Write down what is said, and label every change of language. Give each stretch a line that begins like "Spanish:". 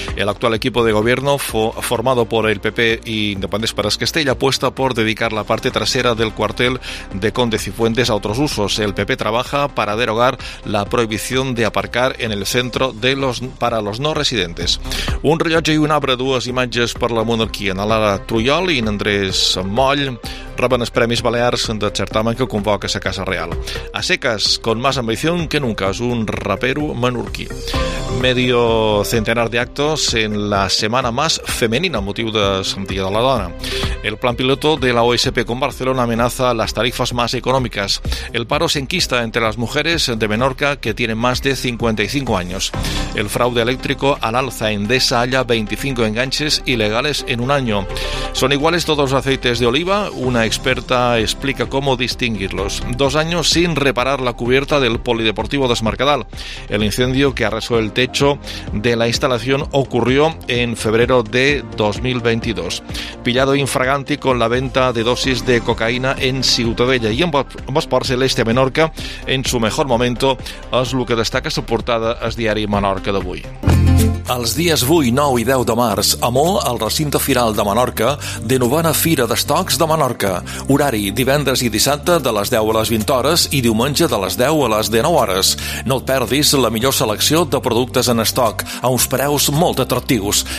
Spanish: El actual equipo de gobierno, formado por el PP y Independents per Es Castell, apuesta por dedicar la parte trasera del cuartel de Conde Cifuentes a otros usos. El PP trabaja para derogar la prohibición de aparcar en el centro de los para los no residentes.
Catalan: Un rellotge i un arbre, dues imatges per la monarquia. En Lara Trullol i en Andrés Moll reben els Premis Balears de certamen que convoca a Casa Real.
Spanish: A seques, con más ambición que nunca, és un rapero menorquí. Medio centenar de actos en la Semana Más Femenina,
Catalan: motiu de Dia de la Dona.
Spanish: El plan piloto de la OSP con Barcelona amenaza las tarifas más económicas. El paro se enquista entre las mujeres de Menorca que tienen más de 55 años. El fraude eléctrico al alza. Endesa halla 25 enganches ilegales en un año. Son iguales todos los aceites de oliva. Una experta explica cómo distinguirlos. Dos años sin reparar la cubierta del polideportivo de Mercadal. El incendio que arrasó el techo de la instalación ocurrió en febrero de 2022. Pillado infraganti con la venta de dosis de cocaína en Ciutadella. Y en Bosport Celeste a Menorca, en su mejor momento, es lo que destaca su portada al diario Menorca de hoy.
Catalan: Els dies 8, 9 i 10 de març, a Mó, al recinte firal de Menorca, de novena Fira d'Estocs de Menorca. Horari, divendres i dissabte de les 10 a les 20 hores i diumenge de les 10 a les 19 hores. No et perdis la millor selecció de productes en estoc, a uns preus molt atractius.